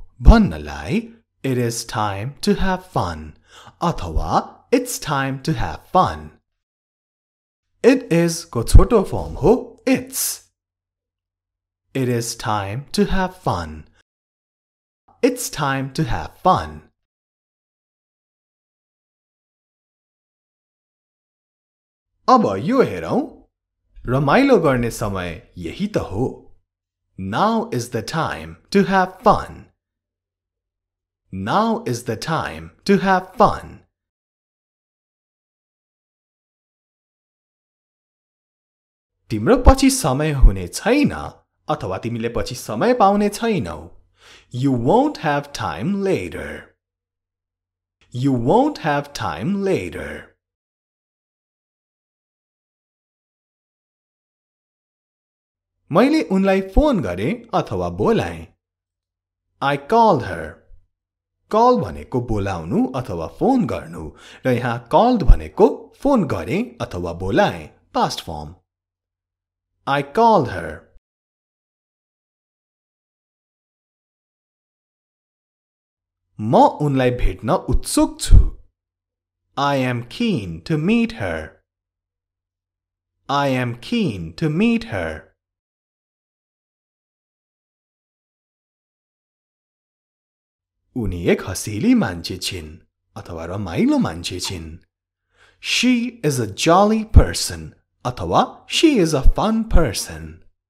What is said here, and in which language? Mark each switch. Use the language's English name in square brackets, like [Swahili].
[Nepali] भन्नलाई [English] It is time to have fun. [Nepali] अथवा [English] It's time to have fun. It is [Nepali] को छोटो form हो [English] it's. It is time to have fun. It's time to have fun. [Nepali] अब यो हेरौं रमाइलो गर्ने समय यही त हो. [English] Now is the time to have fun. Now is the time to have fun. [Nepali] तिम्रो पछि समय हुने छैन अथवा तिमीले पछि समय पाउने छैनौ [English] You won't have time later. You won't have time later. [Nepali] मैले उनलाई फोन गरे अथवा बोलाए [English] I called her. [Nepali] Call भनेको बोलाउनु अथवा फोन गर्नु र यहाँ called भनेको फोन गरे अथवा बोलाए [English] past form. I called her. [Nepali] म उनलाई भेट्न उत्सुक छु. [English] I am keen to meet her. I am keen to meet her. [Nepali] उनी एक हँसिली मान्छे छिन् अथवा रमाइलो मान्छे छिन्. [English] She is a jolly person. [Nepali] अथवा [English] she is a fun person.